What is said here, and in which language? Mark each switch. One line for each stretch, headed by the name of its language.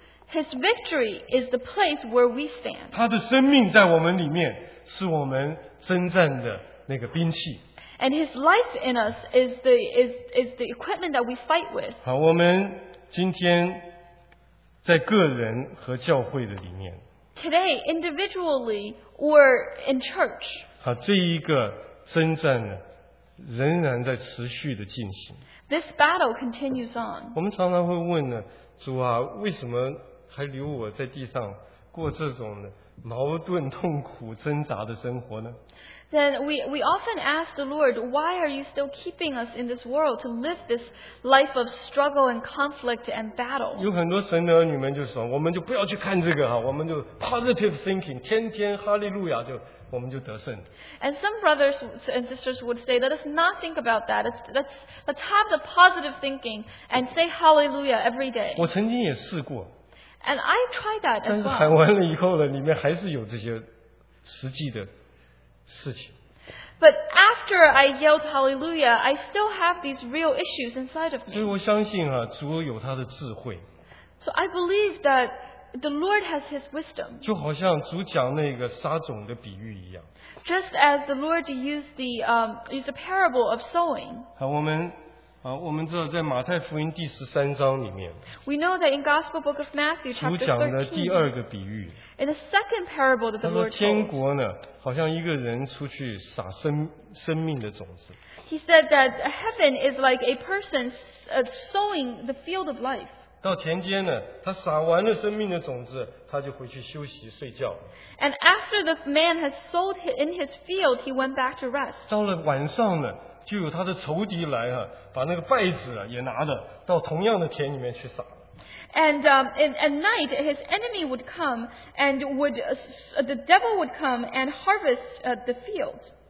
English: His victory is the place where we stand.
Chinese: 他的生命在我们里面是我们征战的那个兵器。
English: And his life in us is the equipment that we fight with.
Chinese: 好，我们今天在个人和教会的里面。
English: Today, individually or in church.
Chinese: 好，这一个征战呢,仍然在持续的进行。
English: This battle continues on.
Chinese: 我们常常会问呢，主啊，为什么还留我在地上过这种呢？矛盾、痛苦、挣扎的生活呢？
English: Then we often ask the Lord, why are you still keeping us in this world to live this life of struggle and conflict and battle?
Chinese: 有很多神的儿女们就说，我们就不要去看这个哈，我们就
English: positive thinking,
Chinese: 天天哈利路亚就我们就得胜。
English: And some brothers and sisters would say, let us not think about that. Let's have the positive thinking and say hallelujah every day.
Chinese: 我曾经也试过。
English: And I tried that as well.
Chinese: 但是喊完了以后呢，里面还是有这些实际的事情。
English: But after I yelled hallelujah, I still have these real issues inside of me.
Chinese: 所以我相信啊，主有他的智慧。
English: So I believe that the Lord has His wisdom.
Chinese: 就好像主讲那个撒种的比喻一样。
English: Just as the Lord used the parable of sowing.
Chinese: 好，我们。我们知道在马太福音第十三章里面
English: We know that in Gospel Book of Matthew,
Chinese: 主讲的第二个比喻
English: In the second parable that the Lord told
Chinese: 天国呢好像一个人出去撒 生命的种子
English: He said that heaven is like a person sowing the field of life
Chinese: 到田间呢他撒完了生命的种子他就回去休息睡觉
English: And after the man has sowed in his field, he went back to rest
Chinese: 到了晚上呢就有他的仇敌来啊，把那个败子啊也拿着到同样的田里面去撒。
English: And at night his enemy would come and would the devil would come and harvest the fields.